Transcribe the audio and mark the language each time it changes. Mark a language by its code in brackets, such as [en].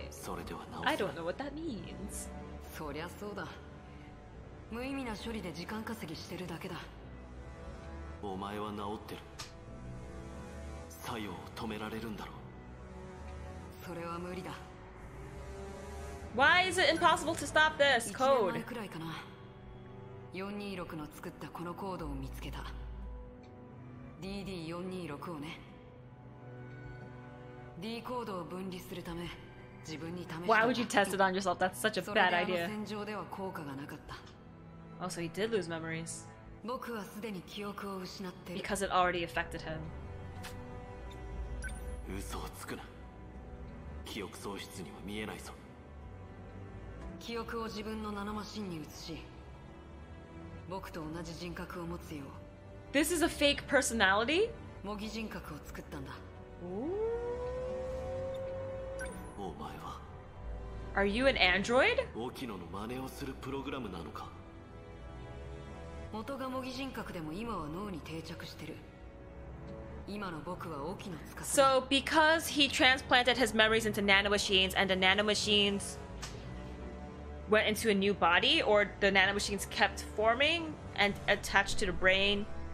[ja] それではなお。 [en] I don't know what that means。 [ja] そりゃそうだ。無意味な処理で時間稼ぎしてるだけだ。お前は治ってる。作用を止められるんだろう。それは無理だ。 [en] Why is it impossible to stop this code? [ja] 1年くらいかな。 426の作ったこのコードを見つけた。 DD426 をね。 D コードを分離するため、自分に試した。 [en] Why would you test it on yourself? That's such a bad idea. [ja] それであの戦場では効果がなかった。 [en] Oh, so he did lose memories. [ja] 僕はすでに記憶を失って [en] る。Because it already affected him. [ja] 嘘をつくな。記憶喪失には見えないぞ。記憶を自分のナノマシンに移し、僕と同じ人格を持つよう。 [en] This is a fake personality? [ja] 模擬人格を作ったんだ。お前は。 [en] Are you an android? [ja] 沖野の真似をするプログラムなのか。元が模擬人格でも今は脳に定着してる。今の僕は沖野司だ。 [en] So because he transplanted his memories into nanomachines and the nanomachines went into a new body, or the nanomachines kept forming and attached to the brain.